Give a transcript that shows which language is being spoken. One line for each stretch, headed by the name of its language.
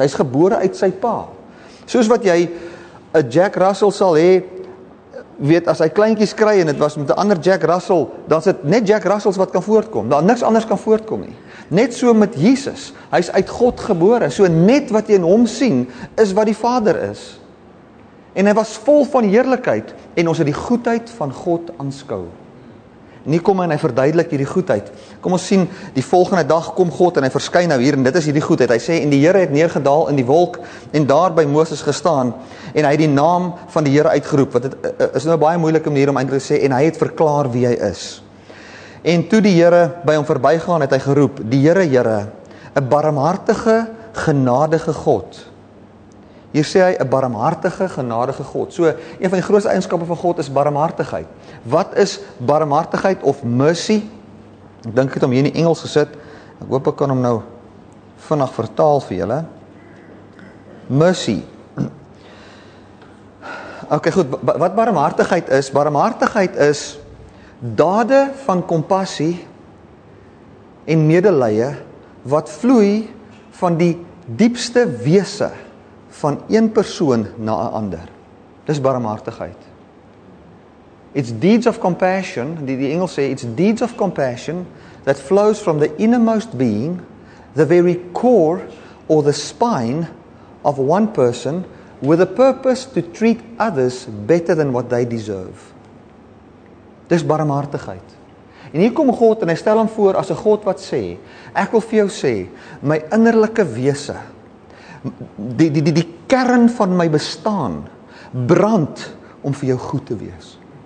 Afrikaans: Hy is gebore uit sy pa. Soos wat jy, een Jack Russell sal hê, weet, as hy kleinkies kry en het was met 'n ander Jack Russell, dan is het net Jack Russells wat kan voortkom. Dan niks anders kan voortkom nie. Net so met Jesus. Hy is uit God gebore. So net wat jy in hom sien, is wat die Vader is. En hy was vol van heerlikheid. En ons het die goedheid van God aanskou. Nie kom en hy verduidelik hierdie goedheid. Kom ons sien, die volgende dag kom God en hy verskyn nou hier. En dit is hierdie goedheid. Hy sê, en die Here het neergedaal in die wolk en daar by Moses gestaan. En hy het die naam van die Here uitgeroep. Wat het is nou baie moeilike manier om eintlik te sê. En hy het verklaar wie hy is. En toe die Here by hom verbygaan, het hy geroep, die Here, Here, 'n barmhartige, genadige God. Hier sê hy, 'n barmhartige, genadige God. So, een van die grootste eienskappe van God is barmhartigheid. Wat is barmhartigheid of mercy? Ek dink ek het hom hier in die Engels gesit. Ek hoop ek kan hom nou vinnig vertaal vir julle.
English: Mercy.
Afrikaans: Ok, goed, wat barmhartigheid is? Barmhartigheid is dade van compassie en medelee wat vloei van die diepste wese van een persoon na 'n ander. Dis barmhartigheid.
English: It's deeds of compassion,
Afrikaans: die Engels sê,
English: it's deeds of compassion that flows from the innermost being, the very core or the spine of one person with a purpose to treat others better than what they deserve.
Afrikaans: Dis barmhartigheid. En hier kom God en hy stel hom voor as 'n God wat sê, ek wil vir jou sê, my innerlijke wese, die kern van my bestaan, brand om vir jou goed te wees.